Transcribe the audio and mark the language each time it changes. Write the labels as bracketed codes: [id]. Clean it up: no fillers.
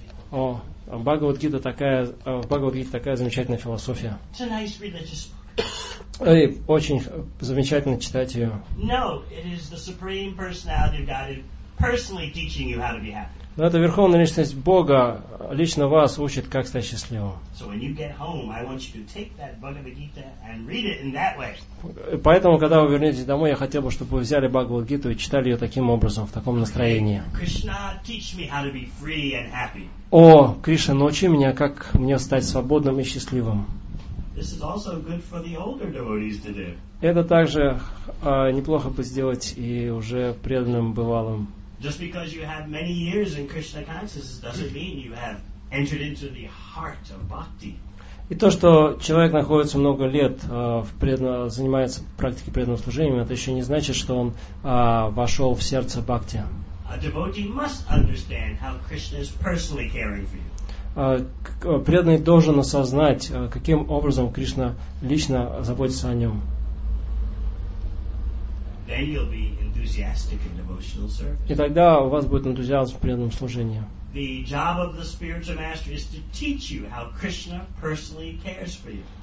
[ru] О, Бхагавад-гита такая замечательная философия. И очень замечательно читать ее. [en] No, it is the Supreme Personality of God personally teaching you how to be happy. [ru] Но это верховная личность Бога лично вас учит, как стать счастливым. [en] So when you get home, I want you to take that Bhagavad-gita and read it in that way. [ru] Поэтому, когда вы вернетесь домой, я хотел бы, чтобы вы взяли Бхагавад-гиту и читали ее таким образом, в таком настроении. [en] Krishna, teach me how to be free and happy. [ru] О, Кришна, научи меня, как мне стать свободным и счастливым. [en] This is also good for the older devotees to do. [ru] Это также неплохо бы сделать и уже преданным бывалым. [en] Just because you have many years in Krishna consciousness doesn't mean you have entered into the heart of bhakti. [ru] И то, что человек находится много лет, занимается практикой преданного служения, это еще не значит, что он вошел в сердце бхакти. [en] A devotee must understand how Krishna is personally caring for you. [ru] Преданный должен осознать, каким образом Кришна лично заботится о нем. [en] Then you'll be enthusiastic in devotional service. [ru] И тогда у вас будет энтузиазм в преданном служении. [en] The job of the spiritual master is to teach you how Krishna personally cares for you.